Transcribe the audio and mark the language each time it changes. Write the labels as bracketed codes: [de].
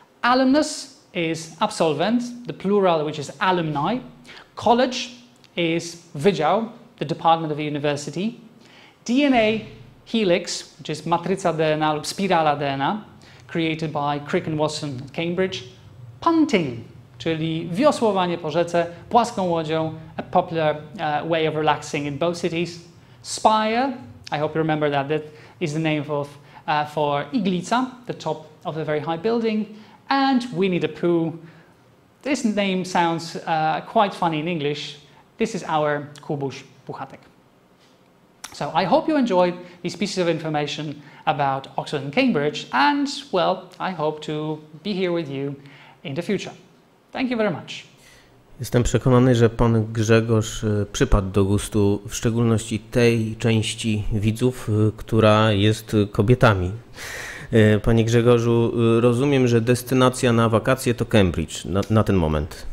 [en] Alumnus is absolvent, the plural, which is alumni. College is wydział, the department of the university. DNA helix, which is [pl] matryca DNA, spirala DNA, [en] created by Crick and Watson at Cambridge. Punting, [pl] czyli wiosłowanie po rzece, płaską łodzią, [en] a popular way of relaxing in both cities. Spire, I hope you remember that, that is the name of for iglica, the top of a very high building. And Winnie the Pooh, this name sounds quite funny in English. This is our Kubuś Puchatek. So I hope you enjoyed these pieces of information about Oxford and Cambridge, and well, I hope to be here with you in the future. Thank you very much. [pl] Jestem przekonany, że pan Grzegorz przypadł do gustu w szczególności tej części widzów, która jest kobietami. Panie Grzegorzu, rozumiem, że destynacja na wakacje to Cambridge na ten moment.